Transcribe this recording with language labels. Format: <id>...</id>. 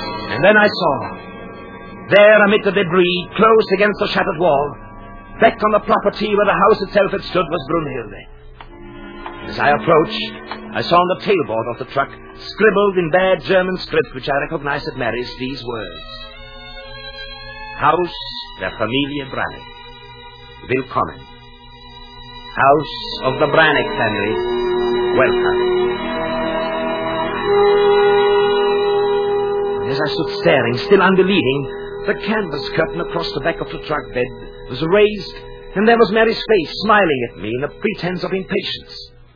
<en>And then I saw, there amid the debris, close against the shattered wall, back on the property where the house itself had stood, was Brunhilde. As I approached, I saw on the tailboard of the truck, scribbled in bad German script, which I recognized at Mary's, these words.</en> <de>Haus der Familie Branick. Willkommen.</de> <en>House of the Branick family. Welcome. As I stood staring, still unbelieving, the canvas curtain across the back of the truck bed was raised, and there was Mary's face smiling at me in a pretense of impatience.</en>